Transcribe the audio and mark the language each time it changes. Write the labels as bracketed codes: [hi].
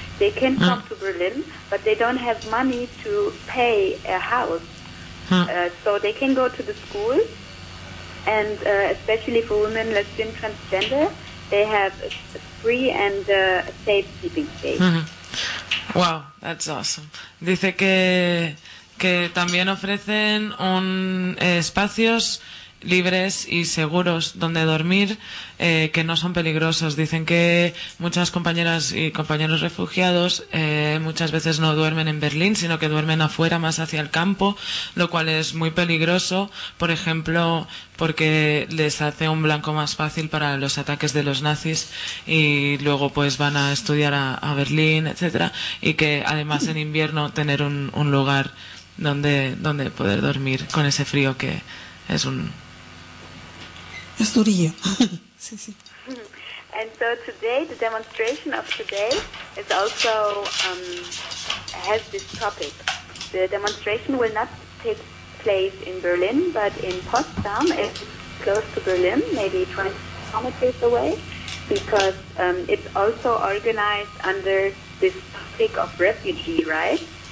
[en] They can come to Berlin, but they don't have money to pay a house. So they can go to the school, and especially for women, lesbian, transgender, they have a free and safe sleeping space. Wow, that's awesome. [es] Dice que también ofrecen un espacios libres y seguros donde dormir, que no son peligrosos. Dicen que muchas compañeras y compañeros refugiados muchas veces no duermen en Berlín, sino que duermen afuera, más hacia el campo, lo cual es muy peligroso, por ejemplo, porque les hace un blanco más fácil para los ataques de los nazis, y luego pues van a estudiar a Berlín, etcétera, y que además en invierno tener un lugar donde poder dormir con ese frío que es un Es durillo. Sí, sí. [en] And so today, the demonstration of today is also has this topic. The demonstration will not take place in Berlin, but in Potsdam. It's close to Berlin, maybe 20 kilometers away, because it's also organized under this topic of refugee rights.